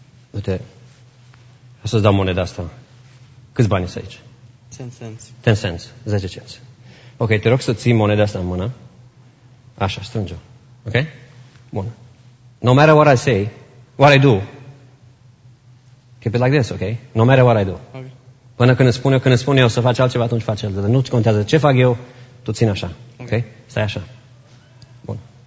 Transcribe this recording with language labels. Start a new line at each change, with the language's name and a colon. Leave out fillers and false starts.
Romanian: Uite, o să-ți dau moneda asta. Câți bani sunt aici?
English: 10 cents. 10 cents, 10 cents.
Romanian: Ok, te rog să ții moneda asta în mână. Așa, strânge-o. Ok? Bun.
English: No matter what I say, what I do, keep it like this, ok? No matter what I do. Okay.
Romanian: Până când îți spun eu, când îți spun eu să faci altceva, atunci faci altceva. Nu-ți contează ce fac eu, tu țin așa. Ok? Stai așa. Bun.